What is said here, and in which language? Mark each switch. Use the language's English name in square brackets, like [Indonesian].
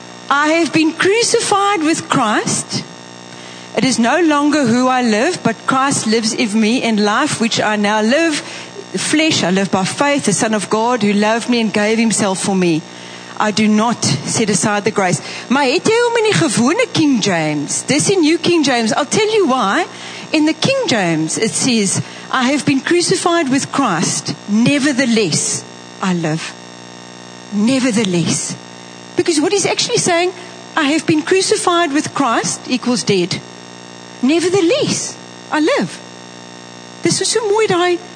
[English] I have been crucified with Christ. It is no longer who I live, but Christ lives in me in life which I now live. Flesh, I live by faith, the Son of God who loved me and gave himself for me. I do not set aside the grace. [Afrikaans] My het jy hom in die gewone King James. [English] This is New King James. I'll tell you why. In the King James, it says, I have been crucified with Christ. Nevertheless, I live. Nevertheless. Because what he's actually saying, I have been crucified with Christ equals dead. Nevertheless, I live. This is so [Afrikaans] mooi die.